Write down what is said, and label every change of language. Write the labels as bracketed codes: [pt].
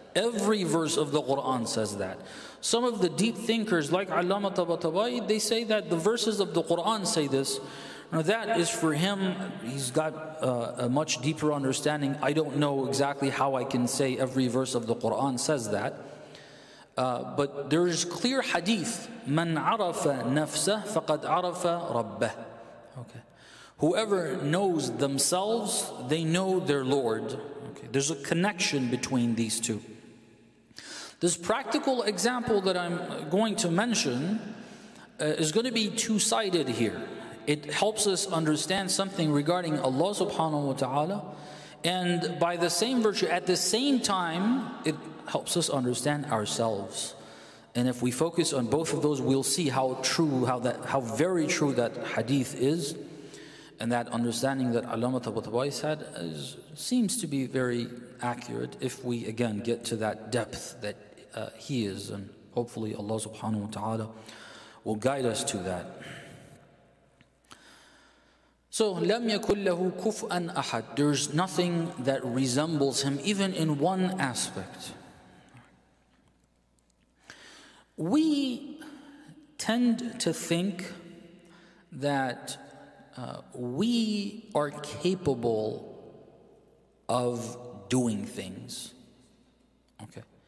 [en] Every verse of the Quran says that. Some of the deep thinkers, like Allama Tabatabai, they say that the verses of the Quran say this. Now that is for him, he's got a much deeper understanding. I don't know exactly how I can say every verse of the Quran says that. But there is clear hadith, [ar] مَنْ عَرَفَ نَفْسَهُ فَقَدْ عَرَفَ رَبَّهُ. [en] Okay. Whoever knows themselves, they know their Lord. Okay. There's a connection between these two. This practical example that I'm going to mention is going to be two-sided here. It helps us understand something regarding Allah subhanahu wa ta'ala, and by the same virtue, at the same time, it helps us understand ourselves. And if we focus on both of those, we'll see how true, how very true that hadith is, and that understanding that Allama Tabatabai had seems to be very accurate if we, again, get to that depth that he is, and hopefully Allah subhanahu wa ta'ala will guide us to that. So, [ar] لَمْ يَكُلْ لَهُ كُفْءًا أَحَدٍ. [en] There's nothing that resembles him, even in one aspect. We tend to think that we are capable of doing things. Okay.